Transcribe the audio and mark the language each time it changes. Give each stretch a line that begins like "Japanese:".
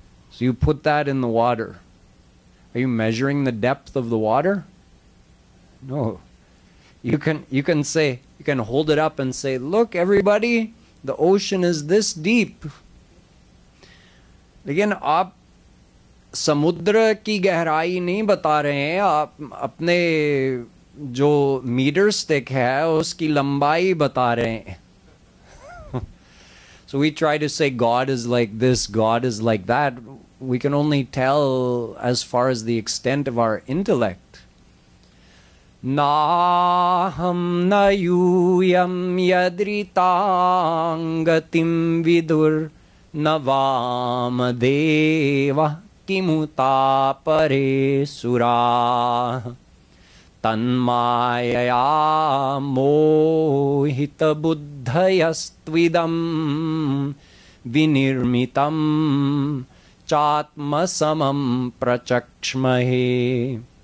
English: So you put that in the water. Are you measuring the depth of the water? No. You can hold it up and say, look everybody, the ocean is this deep.
Hindi: Again, आप समुद्र की गहराई नहीं बता रहे हैं, आप अपने जो मीटर स्टिक है उसकी लंबाई बता रहे हैं।
English: So we try to say God is like this, God is like that. We can only tell as far as the extent of our intellect.
Sanskrit: Naham na yuyam yadritangatim vidur navam deva kimuta pare sura tanmayaya mohita buddhayastvidam vinirmitam chatma samam prachakshmahe.